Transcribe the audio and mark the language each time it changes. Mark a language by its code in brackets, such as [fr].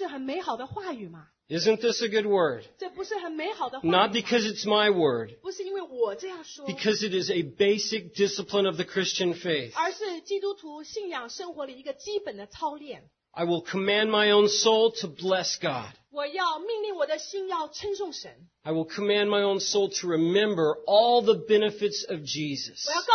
[zh] 这岂不是很美好的话语吗? [en] Isn't this a good word? [zh] 这不是很美好的话语吗? [en] Not because it's my word. [zh] 不是因为我这样说, [en] because it is a basic discipline of the Christian faith. [zh] 而是基督徒信仰生活里一个基本的操练。 [en] I will command my own soul to bless God. I will command my own soul to remember all the benefits of Jesus.